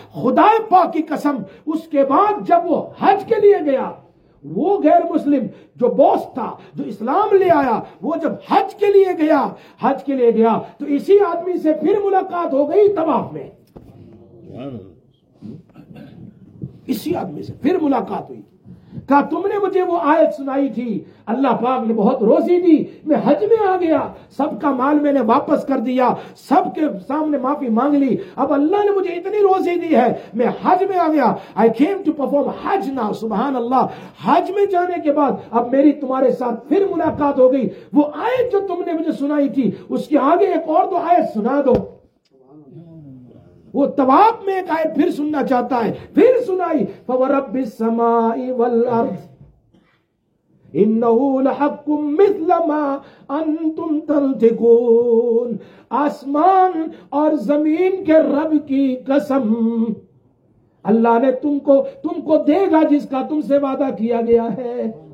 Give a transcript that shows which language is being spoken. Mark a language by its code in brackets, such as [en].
[ur] خدا پاک کی قسم اس کے بعد جب وہ حج کے لیے گیا, وہ غیر مسلم جو باس تھا جو اسلام لے آیا, وہ جب حج کے لیے گیا, حج کے لیے گیا تو اسی آدمی سے پھر ملاقات ہو گئی طواف میں, اسی آدمی سے پھر ملاقات ہوئی. کہا تم نے مجھے وہ آیت سنائی تھی, اللہ پاک نے بہت روزی دی, میں حج میں آ گیا, سب کا مال میں نے واپس کر دیا, سب کے سامنے معافی مانگ لی, اب اللہ نے مجھے اتنی روزی دی ہے میں حج میں آ گیا. [en] I came to perform حج now, سبحان اللہ. [ur] حج میں جانے کے بعد اب میری تمہارے ساتھ پھر ملاقات ہو گئی. وہ آیت جو تم نے مجھے سنائی تھی اس کے آگے ایک اور دو آیت سنا دو. وہ طواف میں ایک آیت پھر سننا چاہتا ہے, پھر سنائی. [ar] فَوَرَبِّ السَّمَاءِ وَالْأَرْضِ إِنَّهُ لَحَقٌّ مِثْلَ مَا أَنْتُمْ تَنْطِقُونَ, [ur] آسمان اور زمین کے رب کی قسم اللہ نے تم کو دے گا جس کا تم سے وعدہ کیا گیا ہے.